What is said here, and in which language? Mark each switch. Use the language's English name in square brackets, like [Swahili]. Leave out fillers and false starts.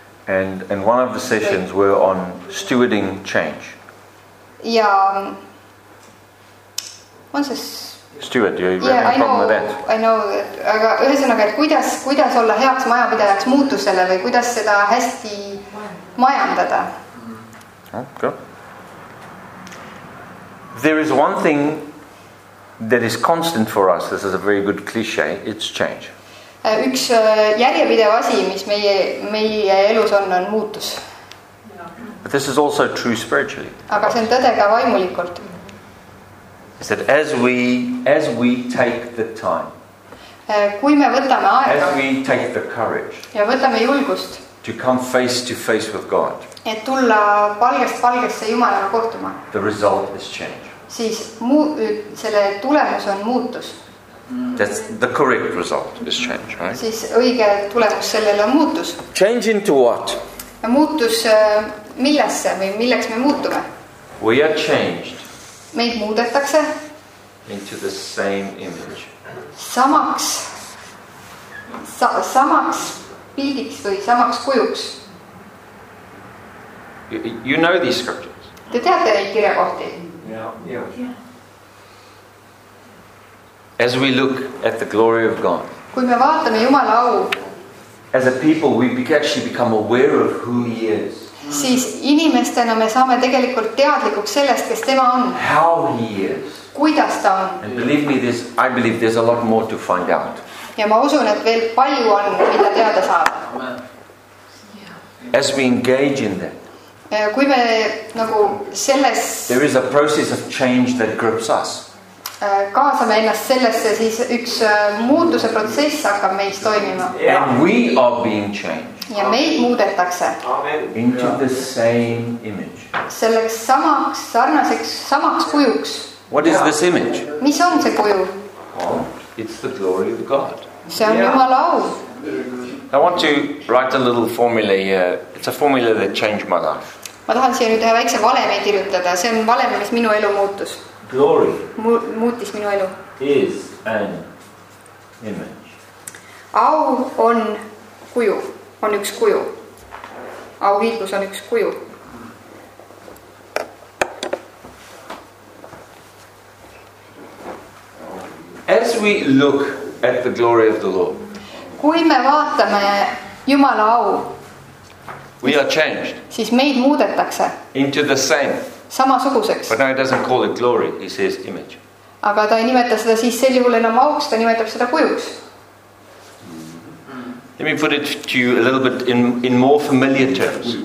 [English] And one of the sessions were on stewarding change. [Estonian] Ja on see [English] steward, you're having a problem with that. I know, [Estonian] aga ühesõnaga, et kuidas olla heaks majapidajaks muutusele või kuidas seda hästi majandada? [English] Okay. There is one thing that is constant for us. This is a very good cliche. It's change. [Estonian] Üks järjepidev asi, mis meie elus on muutus. [English] But this is also true spiritually. [Estonian] Aga see on tõde ka vaimulikult. [English] Is that as we take the time. [Estonian] Kui me võtame aega. [English] As we take the courage. [Estonian] Ja võtame julgust. [English] To come face to face with God. [Estonian] Et tulla palgest palgesse Jumalaga kohtuma. [English] The result is change. [Estonian] Siis selle tulemus on muutus. [English] That's the correct result is change, right? [Estonian] Siis õige tulemus sellele on muutus. [English] Change into what? [Estonian] Ja muutus millesse või milleks me muutume? [English] We are changed. [Estonian] Meid muudetakse. [English] Into the same image. [Estonian] Samaks pildiks või samaks kujuks. [English] You know these scriptures. [Estonian] Te teate neid kirjakohti. [English] Yeah. As we look at the glory of God. [Estonian] Kui me vaatame Jumala au. [English] As a people we actually become aware of who he is. [Estonian] Siis inimestena me saame tegelikult teadlikuks sellest, kes tema on. [English] How he is. [Estonian] Kuidas ta on. [English] And believe me this, I believe there's a lot more to find out. [Estonian] Ja ma usun, et veel palju on, mida teada saab. [English] As we engage in that. [Estonian] Kui me nagu selles [English] there is a process of change that grips us. [Estonian] Kaasame ennast sellesse, siis üks muutuse protsess hakkab meis toimima. [English] And we are being changed. [Estonian] Ja meid muudetakse. [English] Amen. Into the same image. [Estonian] Selleks samaks, sarnaseks, samaks kujuks. [English] What is this image? [Estonian] Mis on see kuju? [English] Oh, it's the glory of God. [Estonian] See on Jumala au. [English] I want to write a little formula here. It's a formula that changed my life. [Estonian] Ma tahan siia nüüd ühe väikse valemi kirjutada. See on valemi, mis minu elu muutus. [English] Glory. [Estonian] Muutis minu elu. [English] Is an image. [Estonian] Au on kuju. On üks kuju. Auhiidlus on üks kuju. [English] As we look at the glory of the Lord. [Estonian] Kui me vaatame Jumala au. [English] We are changed. [Estonian] Siis meid muudetakse. [English] Into the same. [Estonian] Samasuguseks. [English] But now he doesn't call it glory, he says image. [Estonian] Aga ta ei nimeta seda siis sel juhul enam auks, ta nimetab seda kujuks. [English] Let me put it to you a little bit in more familiar terms.